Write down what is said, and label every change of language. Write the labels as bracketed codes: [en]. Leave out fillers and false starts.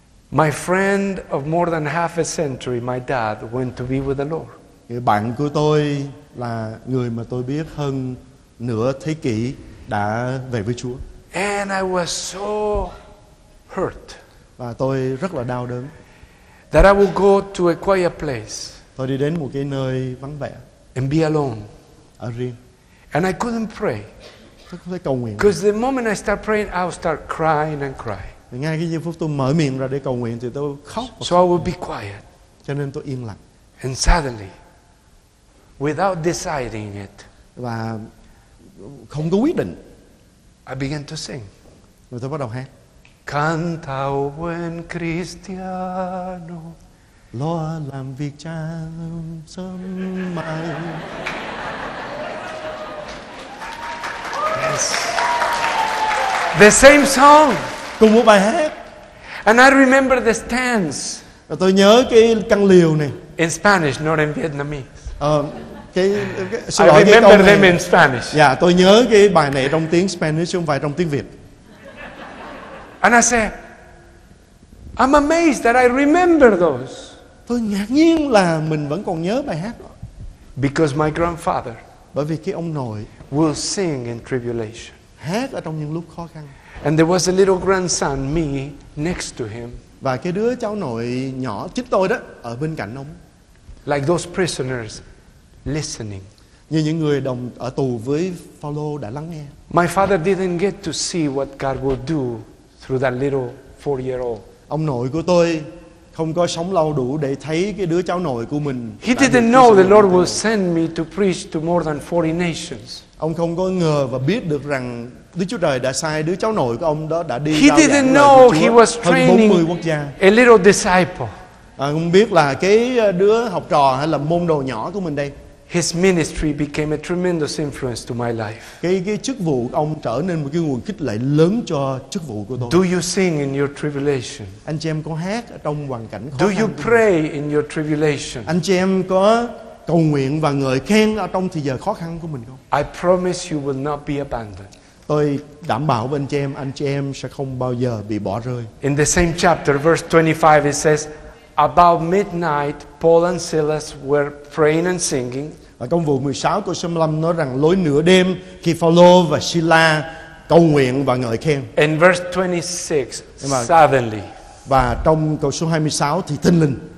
[en] My friend of more than half a century, my dad, went to be with the Lord. [vi] Người bạn của tôi là người mà tôi biết hơn nửa thế kỷ đã về với Chúa. [en] And I was so hurt. [vi] Và tôi rất là đau đớn. [en] That I would go to a quiet place. [vi] Tôi đi đến một cái nơi vắng vẻ. [en] And be alone. [vi] Ở riêng. [en] And I couldn't pray. [vi] Tôi không thể cầu nguyện. [en] Because the moment I start praying, I would start crying and cry. [vi] Ngay cái giây phút tôi mở miệng ra để cầu nguyện thì tôi khóc. [en] So I would be quiet. [vi] Cho nên tôi im lặng. [en] And suddenly, without deciding it, [vi] và không có quyết định, [en] I began to sing. [vi] Rồi tôi bắt đầu hát. [es] Canta o buen cristiano, [vi] lo làm việc trang sớm mai. [en] Yes. The same song. [vi] Cùng một bài hát. [en] And I remember the stance. [vi] Và tôi nhớ cái căn liều này. [en] In Spanish, not in Vietnamese. [vi] Cái, [en] I remember them in Spanish. [vi] Yeah, tôi nhớ cái bài này trong tiếng Spanish chứ không phải trong tiếng Việt. [en] And I said, I'm amazed that I remember those. [vi] Tôi ngạc nhiên là mình vẫn còn nhớ bài hát đó. [en] Because my grandfather, [vi] bởi vì cái ông nội, [en] will sing in tribulation. [vi] Hát ở trong những lúc khó khăn. [en] And there was a little grandson, me, next to him. [vi] Và cái đứa cháu nội nhỏ chính tôi đó ở bên cạnh ông. [en] Like those prisoners listening. [vi] Như những người đồng ở tù với Phaolô đã lắng nghe. [en] My father didn't get to see what God will do through that little 4-year-old. [vi] Ông nội của tôi không có sống lâu đủ để thấy cái đứa cháu nội của mình. [en] He didn't know the Lord will send me to preach to more than 40 nations. [vi] Ông không có ngờ và biết được rằng Đức Chúa Trời đã sai đứa cháu nội của ông đó đã đi he rao giảng lời của Chúa [en] he was training [vi] hơn 40 quốc gia. [en] A little disciple. [vi] Không biết là cái đứa học trò hay là môn đồ nhỏ của mình đây. [en] His ministry became a tremendous influence to my life. [vi] Cái chức vụ ông trở nên một cái nguồn khích lệ lớn cho chức vụ của tôi. [en] Do you sing in your tribulation? [vi] Anh chị em có hát trong hoàn cảnh khó khăn? [en] Do you pray in your tribulation? [vi] Anh chị em có cầu nguyện và ngợi khen ở trong thời giờ khó khăn của mình không? [en] I promise you will not be abandoned. [vi] Tôi đảm bảo với anh chị em sẽ không bao giờ bị bỏ rơi. [en] In the same chapter, verse 25, it says, about midnight, Paul and Silas were praying and singing. [vi] Và công vụ 16 câu 25 nói rằng lối nửa đêm khi Phaolô và Sila cầu nguyện và ngợi khen. [en] In verse 26, suddenly. [vi] Và trong câu số 26 thì thinh linh.